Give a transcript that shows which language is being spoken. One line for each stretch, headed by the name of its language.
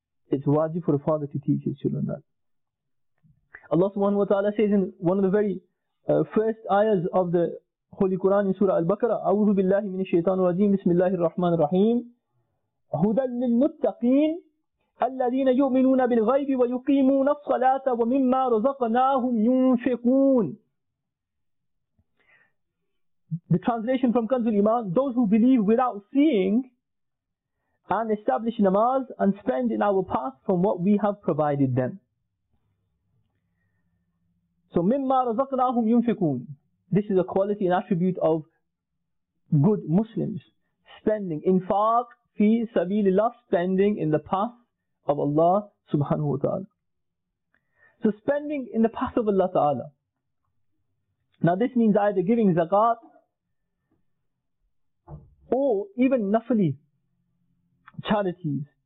English: It's wajib for a father to teach his children that. Allah subhanahu wa ta'ala says in one of the very first ayahs of the Holy Quran in Surah Al-Baqarah,
Arabic: أَعُوذُ بِاللَّهِ مِنِ الشَّيْطَانُ الرَّجِيمِ بِسْمِ اللَّهِ الرَّحْمَنِ الرَّحِيمِ هُدًى لِلْمُتَّقِينَ الَّذِينَ يُؤْمِنُونَ بِالْغَيْبِ وَيُقِيمُونَ الصَّلَاةَ وَمِمَّا رَزَقْنَاهُمْ يُنْفِقُونَ.
English: The translation from Kanzul Iman, those who believe without seeing and establish namaz and spend in our path from what we have provided them. So
Arabic: مِمَّا رَزَقْنَاهُمْ يُنْفِقُونَ.
English: This is a quality and attribute of good Muslims. Spending. Infaq fi sabilillah. Spending in the path of Allah subhanahu wa ta'ala. So spending in the path of Allah ta'ala. Now this means either giving zakat or even nafali charities.